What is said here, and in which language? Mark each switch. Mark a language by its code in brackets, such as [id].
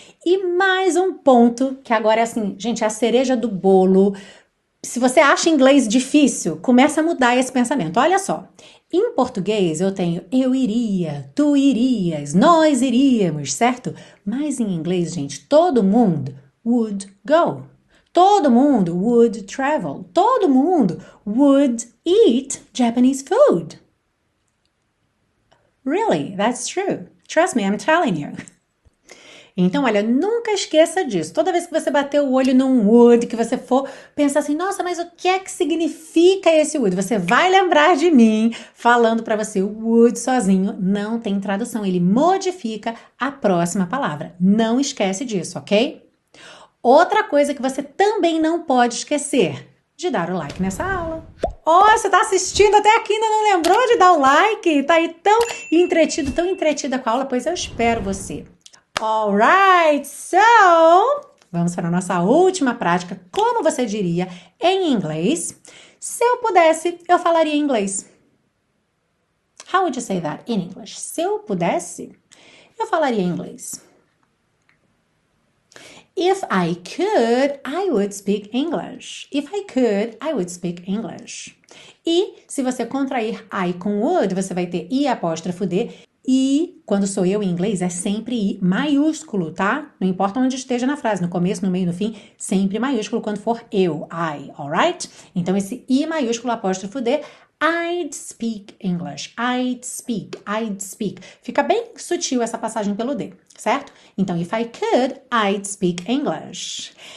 [pt] E mais um ponto, que agora é assim, gente, é a cereja do bolo. Se você acha inglês difícil, começa a mudar esse pensamento. Olha só. Em português eu tenho eu iria, tu irias, nós iríamos, certo? Mas em inglês, gente, todo mundo [en] would go. [pt] Todo mundo [en] would travel. [pt] Todo mundo [en] would eat Japanese food. Really? That's true. Trust me, I'm telling you. [pt] Então, olha, nunca esqueça disso. Toda vez que você bater o olho num would, que você for pensar assim, nossa, mas o que é que significa esse would? Você vai lembrar de mim falando para você, o would sozinho não tem tradução. Ele modifica a próxima palavra. Não esquece disso, ok? Outra coisa que você também não pode esquecer de dar o like nessa aula. Oh, você está assistindo até aqui e ainda não lembrou de dar o like? Tá aí tão entretida com a aula? Pois eu espero você. [en] Alright, so [pt] vamos para a nossa última prática, como você diria em inglês. Se eu pudesse, eu falaria inglês. [en] How would you say that in English? [pt] Se eu pudesse, eu falaria inglês. [en] If I could, I would speak English. If I could, I would speak English. [pt] E se você contrair I com would, você vai ter I apóstrofo D. E quando sou eu em inglês é sempre I maiúsculo, tá? Não importa onde esteja na frase, no começo, no meio, no fim, sempre maiúsculo quando for eu, I, [en] alright? [pt] Então esse I maiúsculo apóstrofo D, [en] I'd speak English, I'd speak. [pt] Fica bem sutil essa passagem pelo D, certo? Então, [en] if I could, I'd speak English.